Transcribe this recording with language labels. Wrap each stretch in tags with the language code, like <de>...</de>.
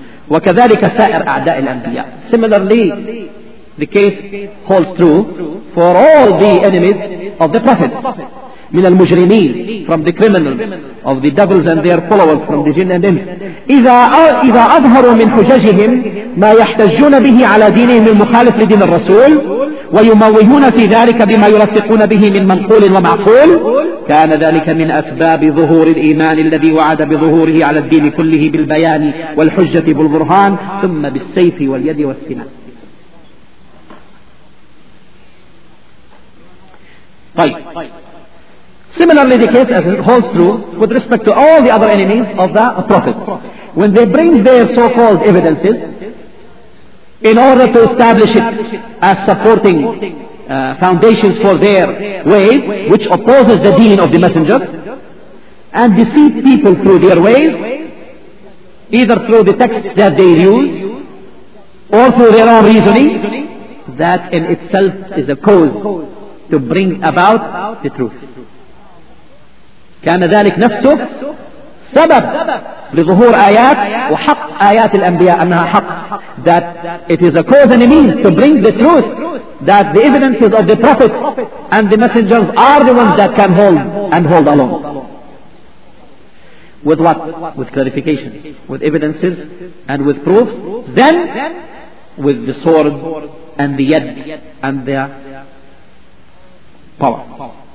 <ar>وكذلك سائر أعداء الأنبياء.</ar> <en>Similarly, the case holds true for all the enemies of the prophets.</en> <ar>من المجرمين,</ar> <en>from the criminals, of the devils and their followers, from the jinn and imps.</en> <ar>إذا أظهروا من حججهم ما يحتجون به على دينهم المخالف لدين الرسول ويموهون في ذلك بما يرفقون به من منقول ومعقول كان ذلك من أسباب ظهور الإيمان الذي وعد بظهوره على الدين كله بالبيان والحجة بالبرهان ثم بالسيف واليد والسنان.</ar> <en>طيب, similarly the case as it holds true with respect to all the other enemies of the prophets. When they bring their so-called evidences in order to establish it as supporting foundations for their ways, which opposes the deen of the messenger, and deceive people through their ways, either through the texts that they use or through their own reasoning, that in itself is a cause to bring about the truth.</en> <ar>كان ذلك نفسه سبب لظهور آيات وحق آيات الأنبياء أنها حق.</ar> <en>That it is a cause and a means to bring the truth, that the evidences of the prophets and the messengers are the ones that can hold and hold alone. With what? With clarifications, with evidences and with proofs, then with the sword and the yad and their power.</en>